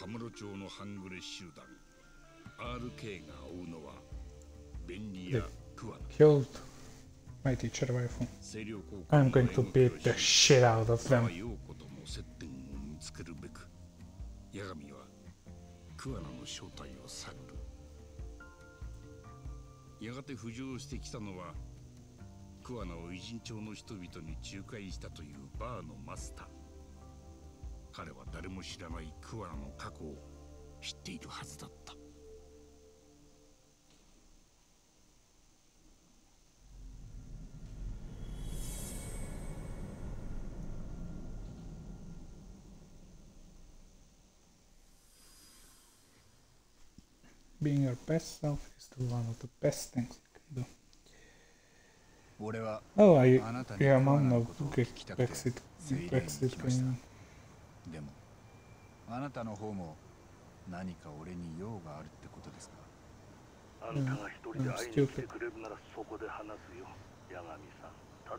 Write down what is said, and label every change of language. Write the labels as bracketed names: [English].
[Japanese] 町のハングレ集団 RK が追うのはベンリア・クワナ。 [English] Killed my teacher wife. I'm going to beat the shit out of them. [Japanese] 妖子との接点を見つけるべく、ヤガミはクワナの正体を探る。やがて浮上してきたのはクワナを異人町の人々に仲介したというバーのマスター。彼は誰も知らないクワナの過去を知っているはずだった。 [English] Being your best self is the one of the best things you can do. [Japanese] 俺はあなたにクワナのことを聞きたくて、セイレーンに来ました。でもあなたの方も何か俺に用があるってことですか。あんたが一人で会いに来てくれるならそこで話すよ、八神さん。